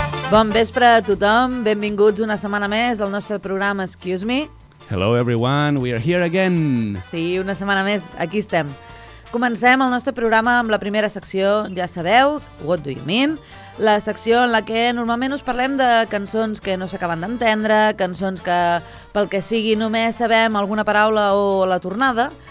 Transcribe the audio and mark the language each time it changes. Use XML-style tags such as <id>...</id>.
<ca>Bon vespre a tothom, benvinguts una setmana més al nostre programa Excuse Me.</ca> <en>Hello everyone, we are here again.</en> <ca>Sí, una setmana més, aquí estem. Comencem el nostre programa amb la primera secció, ja sabeu, What Do You Mean? La secció en la que normalment us parlem de cançons que no s'acaben d'entendre, cançons que, pel que sigui, només sabem alguna paraula o la tornada.</ca>